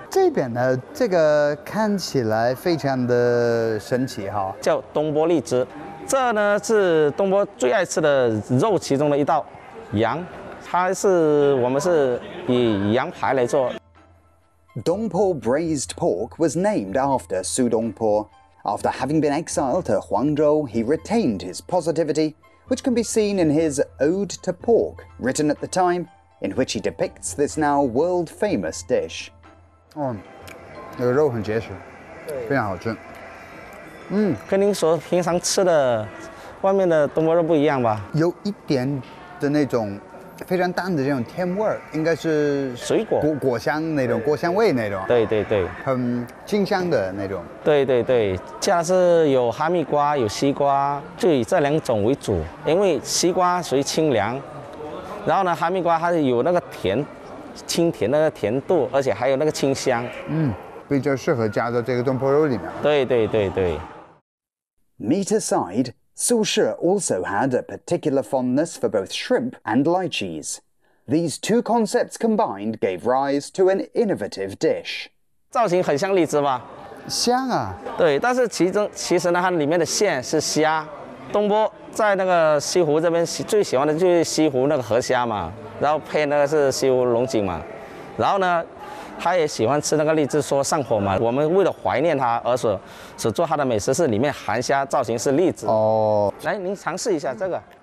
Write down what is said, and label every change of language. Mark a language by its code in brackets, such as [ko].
[zh] 这边呢，这个看起来非常的神奇哈，叫东坡荔枝。这呢是东坡最爱吃的肉其中的一道，羊，它是我们是以羊排来做。 [en] Dongpo braised pork was named after Su Dongpo. After having been exiled to Huangzhou, he retained his positivity, which can be seen in his Ode to Pork, written at the time, in which he depicts this now world-famous dish. [zh] Oh, 这个肉很结实，非常好吃。跟您所平常吃的外面的东坡肉不一样吧？有一点的那种非常淡的这种甜味，应该是水果果香那种，果香味那种。对对对，很清香的那种。对对对，加是有哈密瓜，有西瓜，就以这两种为主，因为西瓜属于清凉，然后呢哈密瓜它有那个甜，清甜那个甜度，而且还有那个清香。比较适合加到这个东坡肉里面。对对对对。 [en] Meat aside,Su Shi also had a particular fondness for both shrimp and lychees. These two concepts combined gave rise to an innovative dish. [zh] 造型很像荔枝吧？像啊。对，但是其实呢，它里面的馅是虾。东坡在那个西湖这边最喜欢的就是西湖那个河虾嘛，然后配那个是西湖龙井嘛，然后呢，他也喜欢吃那个荔枝，说上火嘛。我们为了怀念他而所做他的美食是里面含虾，造型是荔枝。哦，来，您尝试一下这个。